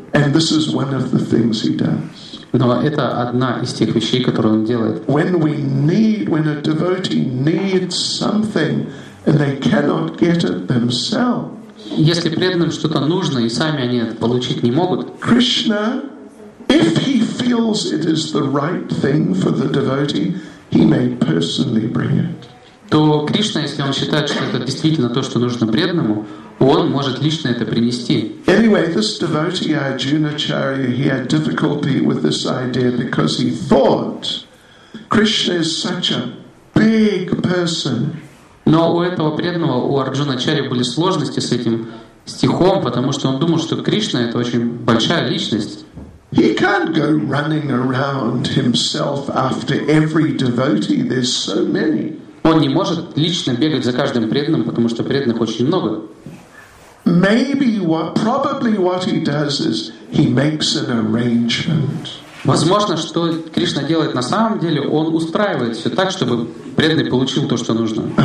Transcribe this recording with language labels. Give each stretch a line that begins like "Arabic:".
English: And this is one of the things he does.
Russian: Но это одна из тех вещей, которые он делает.
English: When a devotee needs something and they cannot get it themselves.
Russian: Если преданным что-то нужно и сами они это получить не могут.
English: Krishna, if he feels it is the right thing for the devotee, he may personally bring it.
Russian: То Кришна, если он считает, что это действительно то, что нужно преданному, он может лично это принести.
English: Anyway, this devotee, Arjunacharya, he had difficulty with this idea because he thought Krishna is such a big person.
Russian: Но у этого преданного, у Арджуначарьи, были сложности с этим стихом, потому что он думал, что Кришна — это очень большая личность.
English: He can't go running around himself after every devotee. There's so many.
Russian: Он не может лично бегать за каждым преданным, потому что преданных очень много.
English: Maybe what, probably what he does is he makes an arrangement.
Russian: Возможно, что Кришна делает на самом деле, он устраивает все так, чтобы преданный получил то, что нужно.